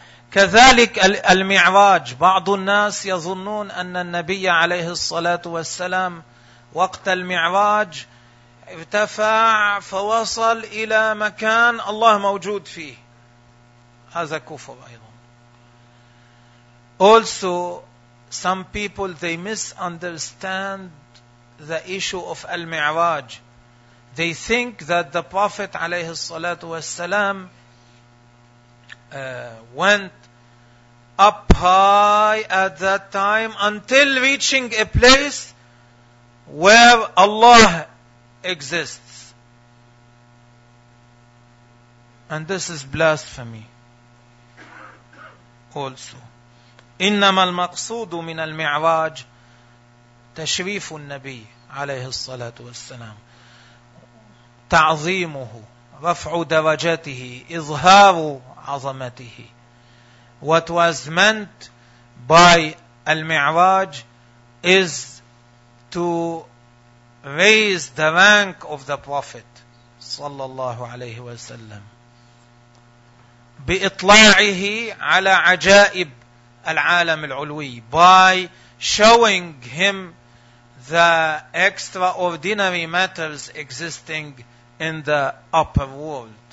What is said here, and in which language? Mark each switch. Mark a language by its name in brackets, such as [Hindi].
[Arabic] كذلك المعراج, بعض الناس يظنون أن النبي عليه الصلاة والسلام وقت المعراج ارتفع فوصل إلى مكان الله موجود فيه, هذا كفر أيضا. [English] Also some people they misunderstand the issue of المعراج. They think that the Prophet [Arabic] عليه الصلاة والسلام [English] went up high at that time until reaching a place where Allah exists. And this is blasphemy also. [Arabic] إنما المقصود من المعراج تشريف النبي عليه الصلاة والسلام, تعظيمه, رفع درجاته, إظهار عظمته. [English] What was meant by Al-Mi'raj is to raise the rank of the Prophet [Arabic] صلى الله عليه وسلم بإطلاعه على عجائب العالم العلوي, [English] by showing him the extraordinary matters existing in the upper world.